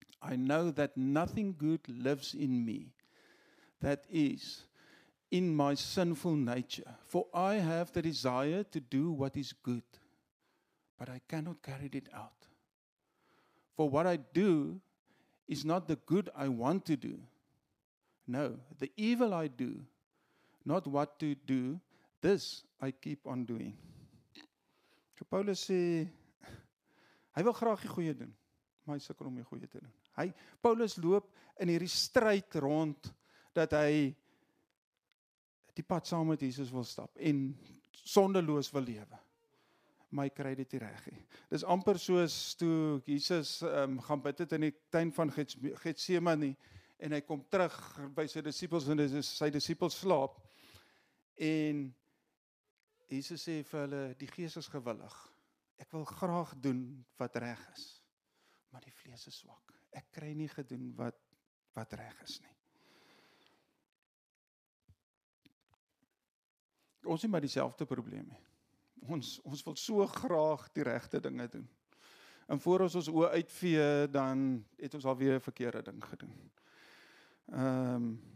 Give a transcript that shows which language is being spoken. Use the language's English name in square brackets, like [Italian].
[English] I know that nothing good lives in me, that is, in my sinful nature, for I have the desire to do what is good, but I cannot carry it out. For what I do is not the good I want to do. No, the evil I do, not what to do, this I keep on doing. [Afrikaans] So Paulus sê, hy wil graag die goeie doen, maar hy sukkel om die goeie te doen. Paulus loop in hierdie stryd rond, dat hy die pad saam met Jesus wil stap, en sondeloos wil lewe. Maar hy kry dit nie reg nie. Dis amper soos toe Jesus gaan bid het in die tuin van Getsemane, en hy kom terug by sy disippels, en sy disippels slaap, en Jesus sê vir hulle, die gees is gewillig, ek wil graag doen wat reg is, maar die vlees is zwak, ek kry nie gedoen wat reg is nie. Ons nie maar dieselfde probleem nie, ons wil so graag die regte dinge doen, en voor ons oor uitvee, dan het ons alweer een verkeerde ding gedoen.